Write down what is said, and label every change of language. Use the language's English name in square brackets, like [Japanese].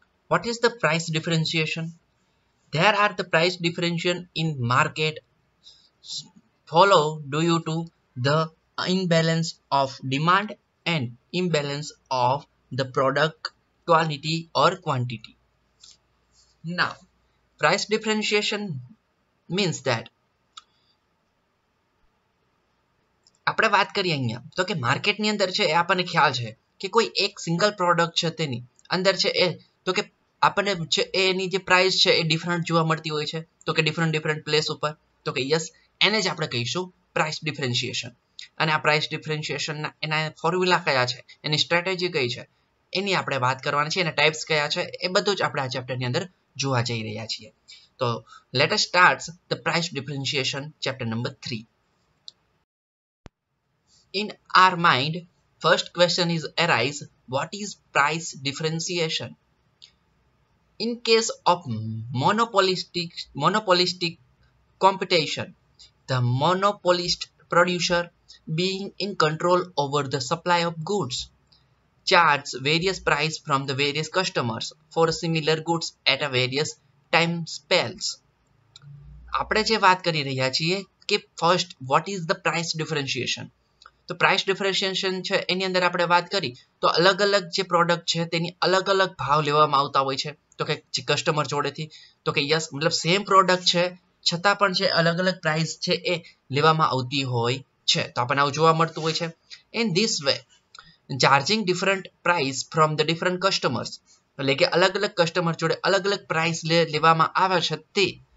[English] What is the price differentiation? There are the price differentiation in market follow due to the imbalance of demand and imbalance of the product quality or quantity. Now price differentiation means that [Gujarati] આપણે વાત કરીએ અહીંયા તો કે માર્કેટની અંદર છે એ આપણને ખ્યાલ છે કે કોઈ એક સિંગલ પ્રોડક્ટ છે તેની અંદર છે એ તો કે આપણને છે એની જે પ્રાઇસ છે એ ડિફરન્ટ જોવા મળતી હોય છે તો કે ડિફરન્ટ ડિફરન્ટ પ્લેસ ઉપર તો કે યસ એને જ આપણે કહીશું પ્રાઇસ ડિફરન્શિએશન અને આ પ્રાઇસ ડિફરન્શિએશનના એના ફોર્મ્યુલા કયા છે એની સ્ટ્રેટેજી કઈ છે એની આપણે વાત કરવાની છે અને ટાઈપ્સ કયા છે એ બધું જ આપણે આ ચેપ્ટરની અંદર જોવા જઈ રહ્યા છીએ તો [English] let us start the price differentiation chapter [Gujarati] number 3 [English] In our mind, first question is arise, what is price differentiation? In case of monopolistic competition, the monopolist producer being in control over the supply of goods charges various price from the various customers for similar goods at a various time spells. [Gujarati] આપણે જે વાત કરી રહ્યા છીએ કે [English] first what is the price differentiation? [Gujarati] તો price differentiation છે એની અંદર આપણે વાત કરી તો અલગ અલગ જે પ્રોડક્ટ છે તેની અલગ અલગ ભાવ લેવામાં આવતા હોય છે તો કે કસ્ટમર જોડેથી તો કે યસ મતલબ સેમ પ્રોડક્ટ છે છતાં પણ જે અલગ અલગ પ્રાઇસ છે એ લેવામાં આવતી હોય છે તો આપણને આવું જોવા મળતું હોય છે [English] in this way charging different price from the different customers [Gujarati] એટલે કે અલગ અલગ કસ્ટમર જોડે અલગ અલગ પ્રાઇસ લેવામાં આવે છે તે